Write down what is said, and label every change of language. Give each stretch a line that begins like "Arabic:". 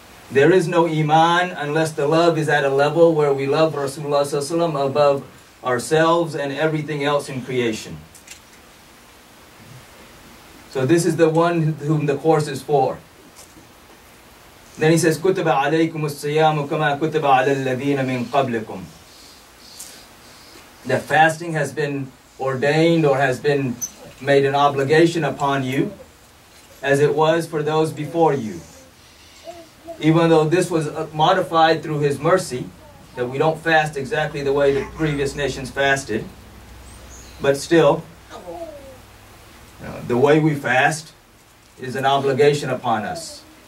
English: There is no iman unless the love is at a level where we love Rasulullah ﷺ above ourselves and everything else in creation. So this is the one whom the course is for. Then he says,
Arabic: كُتِبَ عَلَيْكُمُ السَّيَامُ كَمَا كُتِبَ عَلَى الَّذِينَ مِنْ قَبْلِكُمْ.
English: That fasting has been ordained or has been made an obligation upon you as it was for those before you. Even though this was modified through His mercy, that we don't fast exactly the way the previous nations fasted, but still, the way we fast is an obligation upon us.